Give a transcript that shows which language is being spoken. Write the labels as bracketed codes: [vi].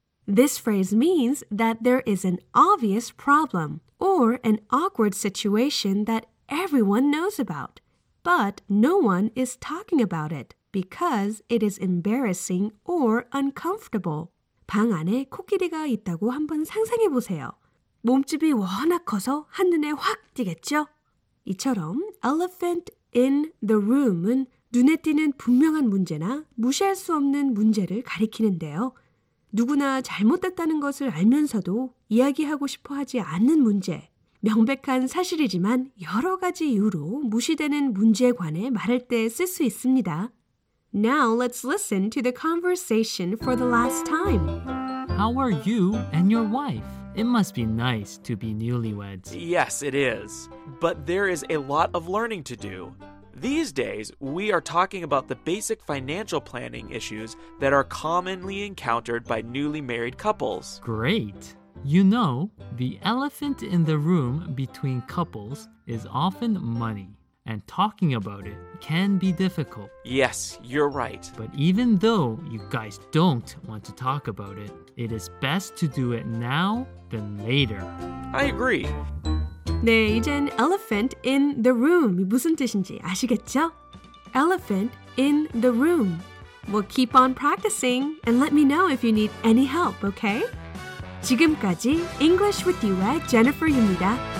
[en] This phrase means that there is an obvious problem or an awkward situation that everyone knows about, but no one is talking about it because it is embarrassing or uncomfortable. [ko] 방 안에 코끼리가 있다고 한번 상상해 보세요. 몸집이 워낙 커서 한눈에 확 띄겠죠? 이처럼 elephant in the room은 눈에 띄는 분명한 문제나 무시할 수 없는 문제를 가리키는데요. 누구나 잘못됐다는 것을 알면서도 이야기하고 싶어 하지 않는 문제, 명백한 사실이지만 여러 가지 이유로 무시되는 문제에 관해 말할 때 쓸 수 있습니다. [en] Now let's listen to the conversation for the last time. How are you and your wife? It must be nice to be newlyweds. Yes, it is. But there is a lot of learning to do. These days, we are talking about the basic financial planning issues that are commonly encountered by newly married couples. Great. You know, the elephant in the room between couples is often money, and talking about it can be difficult. Yes, you're right. But even though you guys don't want to talk about it, it is best to do it now than later. I agree. [ko] 네, 이젠 elephant in the room이 무슨 뜻인지 아시겠죠? [en] Elephant in the room. We'll keep on practicing and let me know if you need any help, okay? [ko] 지금까지 English with you의 Jennifer입니다.